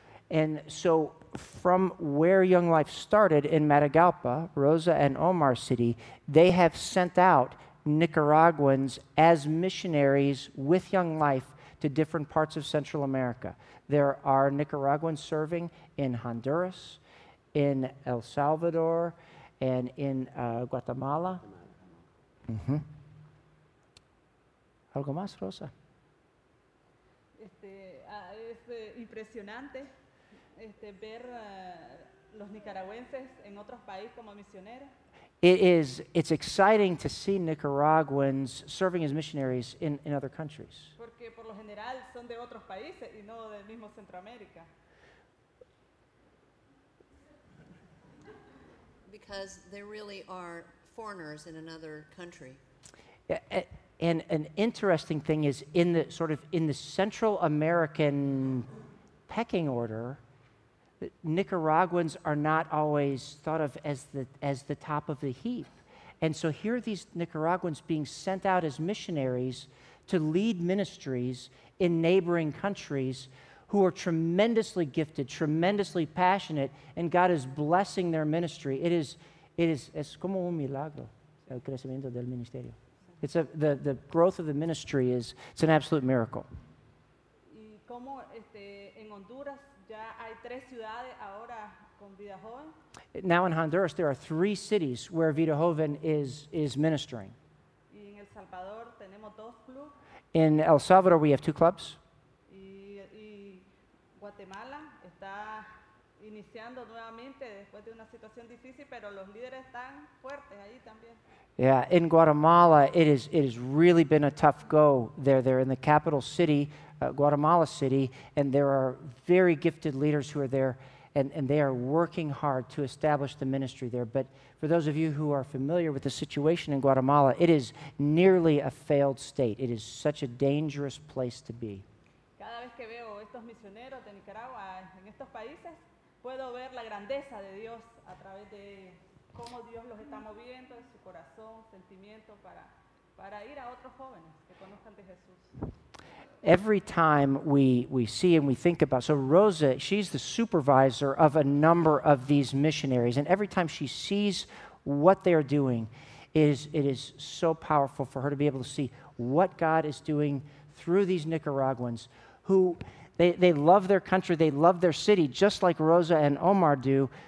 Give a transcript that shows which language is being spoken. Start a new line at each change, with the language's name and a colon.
English: And so from where Young Life started in Matagalpa, Rosa and Omar City, they have sent out Nicaraguans as missionaries with Young Life to different parts of Central America. There are Nicaraguans serving in Honduras, in El Salvador, and in Guatemala. Mm-hmm.
Spanish: ¿Algo más, Rosa? Es impresionante ver los nicaragüenses en otros países como misioneros.
English: It's exciting to see Nicaraguans serving as missionaries in other countries.
Spanish: Porque por lo general son de otros países y no del mismo Centroamérica.
English: Because they really are foreigners in another country. And an interesting thing is in the Central American pecking order, Nicaraguans are not always thought of as the top of the heap. And so here are these Nicaraguans being sent out as missionaries to lead ministries in neighboring countries who are tremendously gifted, tremendously passionate, and God is blessing their ministry. It is
Spanish: como un milagro, el crecimiento del ministerio.
English: It's the growth of the ministry it's an absolute miracle.
Spanish: Y como en Honduras ya hay tres ciudades ahora con Vida Joven.
English: Now in Honduras there are three cities where Vida Joven is ministering.
Spanish: Y en El Salvador tenemos dos clubs.
English: In El Salvador we have two clubs.
Spanish: Y Guatemala está iniciando nuevamente después de una situación difícil, pero los líderes están fuertes ahí también.
English: Yeah, in Guatemala, it has really been a tough go there. They're in the capital city, Guatemala City, and there are very gifted leaders who are there, and they are working hard to establish the ministry there. But for those of you who are familiar with the situation in Guatemala, it is nearly a failed state. It is such a dangerous place to be.
Spanish: Cada vez que veo estos misioneros de Nicaragua en estos países, puedo ver la grandeza de Dios a través de cómo Dios los está moviendo en su corazón, sentimiento para ir a otros jóvenes que conozcan de Jesús.
English: Every time we see and we think about, so Rosa, she's the supervisor of a number of these missionaries, and every time she sees what they are doing, it is so powerful for her to be able to see what God is doing through these Nicaraguans who they love their country, they love their city, just like Rosa and Omar do.